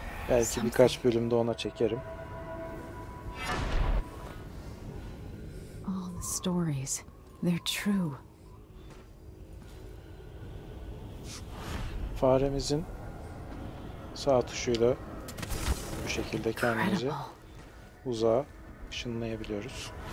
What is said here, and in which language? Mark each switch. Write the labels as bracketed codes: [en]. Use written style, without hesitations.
[tr] Belki birkaç bölümde ona çekerim. [en] All the stories, they're true. [tr] Faremizin sağ tuşuyla bu şekilde kendimizi uzağa ışınlayabiliyoruz.